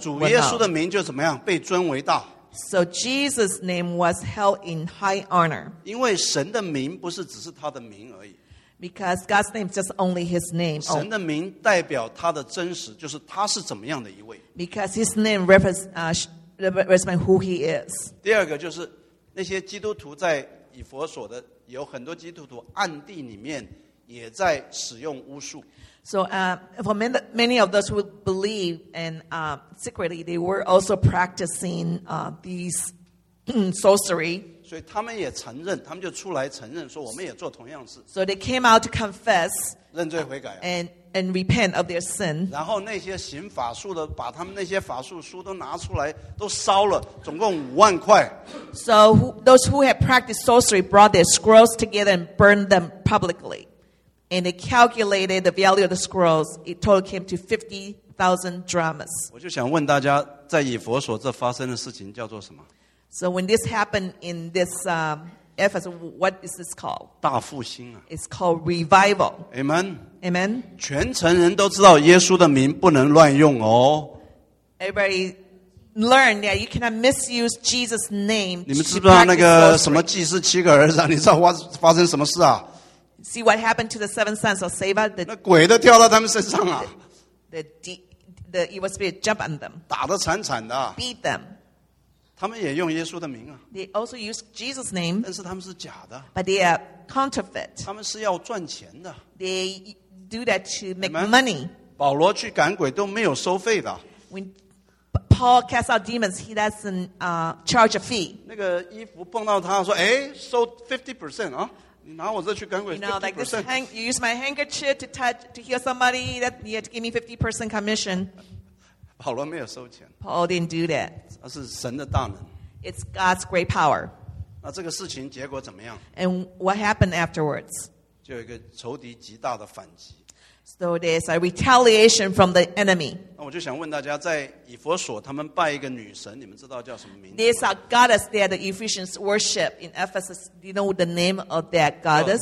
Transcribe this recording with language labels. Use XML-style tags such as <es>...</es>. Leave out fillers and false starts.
<zh>主耶稣的名就怎么样, 被尊为大,</zh> <en>so Jesus' name was held in high honor.</en> <zh>因为神的名不是只是他的名而已。</zh> <en>Because God's name is just only his name.</en> <zh>神的名代表他的真实, 就是他是怎么样的一位。</zh> <en>Because his name represents who he is.</en> <zh>第二个就是, 那些基督徒在以弗所的, 有很多基督徒暗地里面, 也在使用巫术。</zh> <en>So for many of those who believe, and secretly, they were also practicing these sorcery.</en> <zh>所以他们也承认, 他们就出来承认, 说我们也做同样事。</zh> <en>So they came out to confess,</en> <zh>认罪悔改啊。</zh> <en>And repent of their sin.</en> <zh>然后那些行法术的, 把他们那些法术书都拿出来, 都烧了, 总共5万块。</zh> <en>So those who had practiced sorcery brought their scrolls together and burned them publicly. And they calculated the value of the scrolls. It total came to 50,000 dramas.</en> <zh>我就想问大家, 在以弗所这发生的事情叫做什么?</zh> <en>So when this happened in this Ephesus, what is this called?</en> <zh>大复兴啊。</zh> <en>It's called revival. Amen. Amen.</en> <zh>全城人都知道耶稣的名不能乱用哦。</zh> <en>Everybody learned that you cannot misuse Jesus' name.</en> <zh>你们知不知道那个什么祭司七个儿子啊? 你知道发生什么事啊?</zh> <en>See what happened to the seven sons of Sceva?</en> <zh>那鬼都掉到他们身上啊。</zh> <en>The evil spirit jumped on them.</en> <zh>打得惨惨的。</zh> <en>Beat them.</en> <zh>他们也用耶稣的名啊,</zh> <en>they also use Jesus' name.</en> <zh>但是他们是假的,</zh> <en>but they are counterfeit.</en> <zh>他们是要赚钱的,</zh> <en>they do that to make money.</en> <zh>保罗去赶鬼都没有收费的,</zh> <en>when Paul casts out demons, he doesn't charge a fee.</en> <zh>那个衣服碰到他说, 诶, 收 50%, 你拿我这去赶鬼,</zh> <en>you know, like this hang, you use my handkerchief to touch, to heal somebody, that you have to give me 50% commission.</en> <zh>保罗没有收钱,</zh> <en>Paul didn't do that.</en> <zh>那是神的大能,</zh> <en>it's God's great power.</en> <zh>那这个事情结果怎么样?</zh> <en>And what happened afterwards?</en> <zh>就有一个仇敌极大的反击,</zh> <en>so there's a retaliation from the enemy.</en> <zh>那我就想问大家, 在以弗所他们拜一个女神, 你们知道叫什么名字?</zh> <en>There's a goddess there, the Ephesians worship in Ephesus. Do you know the name of that goddess?</en>